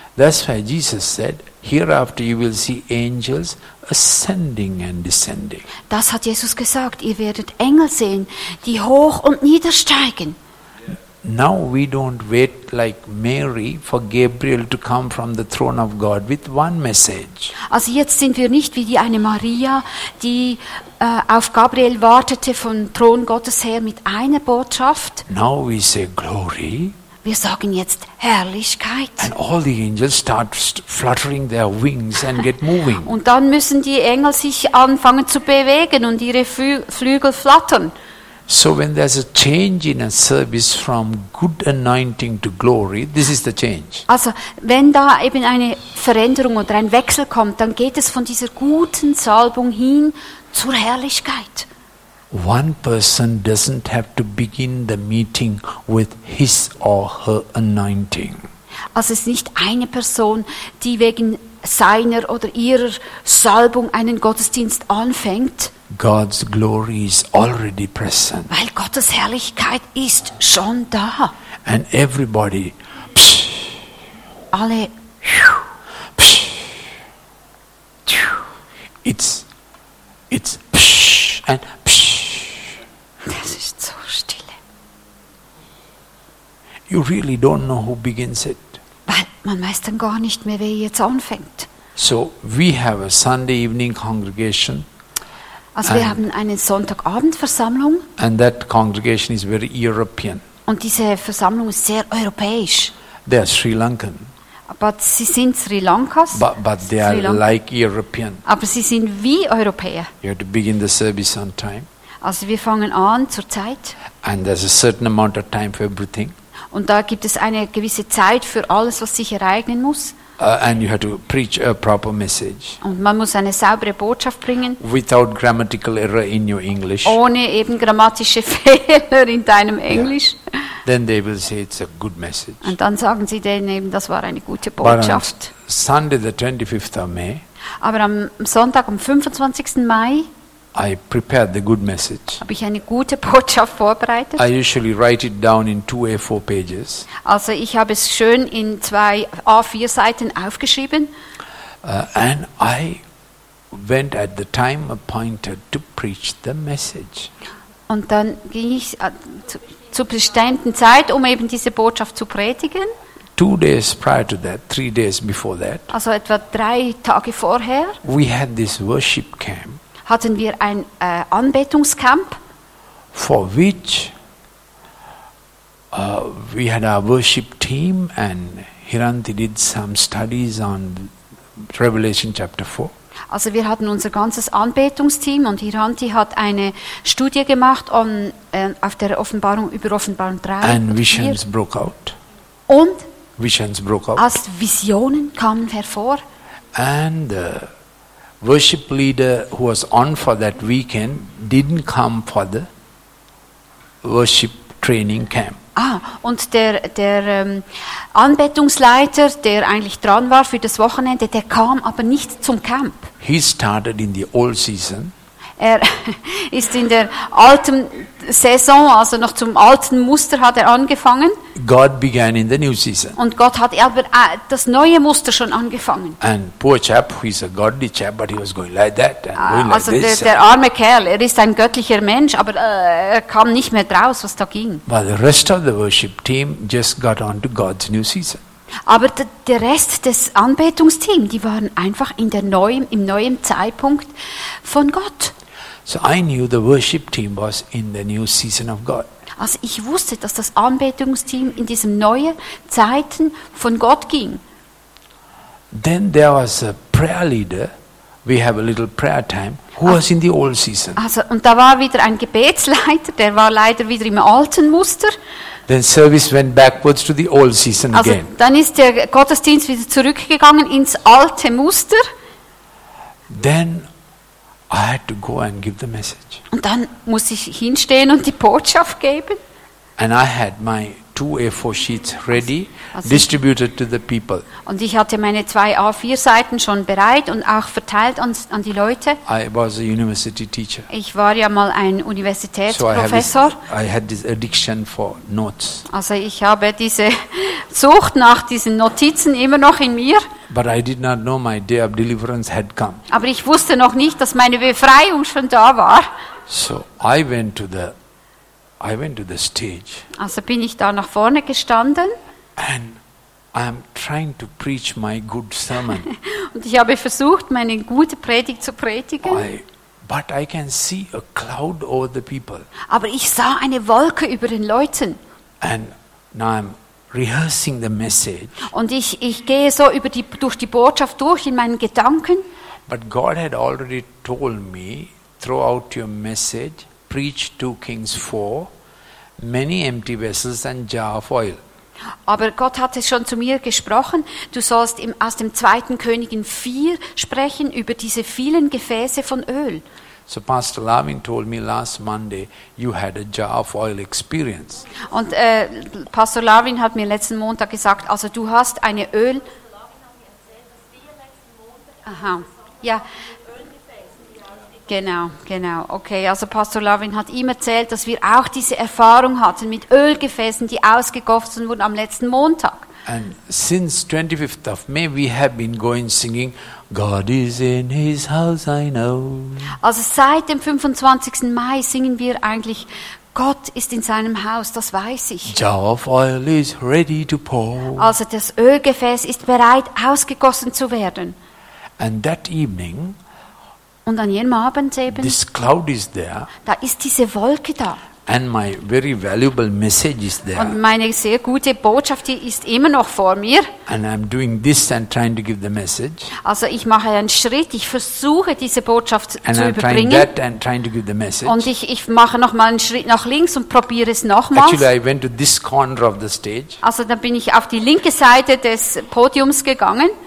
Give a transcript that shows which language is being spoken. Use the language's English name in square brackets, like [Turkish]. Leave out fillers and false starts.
[English] That's why Jesus said, hereafter you will see angels ascending and descending. [German] Das hat Jesus gesagt, ihr werdet Engel sehen, die hoch und niedersteigen. [English] Now we don't wait like Mary for Gabriel to come from the throne of God with one message. [German] Also jetzt sind wir nicht wie die eine Maria, die auf Gabriel wartete vom Thron Gottes her mit einer Botschaft. [English] Now we say glory. [German] Wir sagen jetzt Herrlichkeit. [English] And all the angels start fluttering their wings and get moving. [German] Und dann müssen die Engel sich anfangen zu bewegen und ihre Flügel flattern. [English] So when there's a change in a service from good anointing to glory, this is the change. [German] Also, wenn da eben eine Veränderung oder ein Wechsel kommt, dann geht es von dieser guten Salbung hin zur Herrlichkeit. [English] One person doesn't have to begin the meeting with his or her anointing. [German] Also es ist nicht eine Person, die wegen seiner oder ihrer Salbung einen Gottesdienst anfängt. [English] God's glory is already present. [German] Weil Gottes Herrlichkeit ist schon da. [English] And everybody, psch, [German] alle, [English] psch, it's psch, and psch. [German] Das ist so stille. [English] You really don't know who begins it. [German] Weil man weiß dann gar nicht mehr, wer jetzt anfängt. [English] So we have a Sunday evening congregation. [German] Also wir haben eine Sonntagabendversammlung. [English] And that congregation is very European. [German] Und diese Versammlung ist sehr europäisch. [English] They are Sri Lankan. [German] But sie sind Sri Lankas. [English] But they are like European. [German] Aber sie sind wie Europäer. [English] You have to begin the service on time. [German] Also wir fangen an zur Zeit. [English] And there's a certain amount of time for everything. [German] Und da gibt es eine gewisse Zeit für alles, was sich ereignen muss. [English] And you have to preach a proper message. [German] Und man muss eine saubere Botschaft bringen. [English] Without grammatical error in your English. [German] Ohne eben grammatische Fehler in deinem Englisch. [English] Yeah. Then they will say it's a good message. [German] Und dann sagen sie denen eben, das war eine gute Botschaft. [English] But on Sunday the 25th of May. [German] Aber am Sonntag am 25. Mai. [English] I prepared the good message. [German] Habe ich eine gute Botschaft vorbereitet? [English] I usually write it down in 2 A4 pages. [German] Also ich habe es schön in 2 A4 Seiten aufgeschrieben. [English] And I went at the time appointed to preach the message. [German] Und dann ging ich zu bestimmten Zeit, um eben diese Botschaft zu predigen. [English] 2 days prior to that, 3 days before that. [German] Also etwa 3 Tage vorher. [English] We had this worship camp. [German] Hatten wir ein Anbetungscamp. [English] For which we had our worship team, and Hiranti did some studies on Revelation chapter 4. [German] Also wir hatten unser ganzes Anbetungsteam und Hiranti hat eine Studie gemacht auf der Offenbarung, über Offenbarung 3. [English] And visions broke out. [German] Und [English] visions broke out. [German] Als Visionen kamen hervor. [English] And the worship leader who was on for that weekend didn't come for the worship training camp. [German] Ah, und der Anbetungsleiter, der eigentlich dran war für das Wochenende, der kam aber nicht zum Camp. [English] He started in the old season. [German] Er ist in der alten Saison, also noch zum alten Muster hat er angefangen. [English] God began in the new season. [German] Und Gott hat aber das neue Muster schon angefangen. [English] And poor chap, he's a godly chap, but he was going like that and going like also this. [German] Der arme Kerl, er ist ein göttlicher Mensch, aber er kam nicht mehr draus, was da ging. [English] But the rest of the worship team just got on to God's new season. [German] Aber der Rest des Anbetungsteams, die waren einfach in der im neuen Zeitpunkt von Gott. [English] So I knew the worship team was in the new season of God. [German] Also ich wusste, dass das Anbetungsteam in diesen neuen Zeiten von Gott ging. [English] Then there was a prayer leader. We have a little prayer time. Who was in the old season? [German] Also und da war wieder ein Gebetsleiter, der war leider wieder im alten Muster. [English] Then service went backwards to the old season again. [German] Also dann ist der Gottesdienst wieder zurückgegangen ins alte Muster. [English] Then I had to go and give the message. [German] Und dann muss ich hinstehen und die Botschaft geben. [English] And I had my 2 A4 sheets ready, also distributed to the people. [German] Und ich hatte meine 2 A4 Seiten schon bereit und auch verteilt an die Leute. [English] I was a university teacher. [German] Ich war ja mal ein Universitätsprofessor. [English] So I had this addiction for notes. [German] Also ich habe diese Sucht nach diesen Notizen immer noch in mir. [English] But I did not know my day of deliverance had come. [German] Aber ich wusste noch nicht, dass meine Befreiung schon da war. [English] So I went to the stage. [German] Also bin ich da nach vorne gestanden. [English] And I'm trying to preach my good sermon. [German] Und ich habe versucht, meine gute Predigt zu predigen. [English] But I can see a cloud over the people. [German] Aber ich sah eine Wolke über den Leuten. [English] And now I'm rehearsing the message. [German] Und ich gehe so durch die Botschaft durch in meinen Gedanken. [English] But God had already told me, throw out your message. Preach 2 Kings 4, many empty vessels and jar of oil. [German] Aber Gott hat es schon zu mir gesprochen, du sollst aus dem 2. Königin 4 sprechen über diese vielen Gefäße von Öl. So Pastor Lavin told me last Monday you had a jar of oil experience. Und Pastor Lavin hat mir letzten Montag gesagt, also du hast eine Öl. Aha, ja. Genau. Okay, also Pastor Lavin hat ihm erzählt, dass wir auch diese Erfahrung hatten mit Ölgefäßen, die ausgegossen wurden am letzten Montag. [English] And since 25th of May we have been going singing God is in his house, I know. [German] Also seit dem 25. Mai singen wir eigentlich Gott ist in seinem Haus, das weiß ich. [English] Jar of oil is ready to pour. [German] Also das Ölgefäß ist bereit ausgegossen zu werden. [English] And that evening, [German] und an jenem Abend eben, [English] this cloud is there, [German] da ist diese Wolke da. [English] And my very valuable message is there. [German] Und meine sehr gute Botschaft, die ist immer noch vor mir. [English] And I'm doing this and trying to give the message. [German] Also ich mache einen Schritt, ich versuche diese Botschaft [English] and [German] zu [English] I'm [German] überbringen. [English] Trying that and trying to give the message. [German] Und ich mache nochmal einen Schritt nach links und probiere es nochmals. [English] Actually, I went to this corner of the stage. [German] Also da bin ich auf die linke Seite des Podiums gegangen.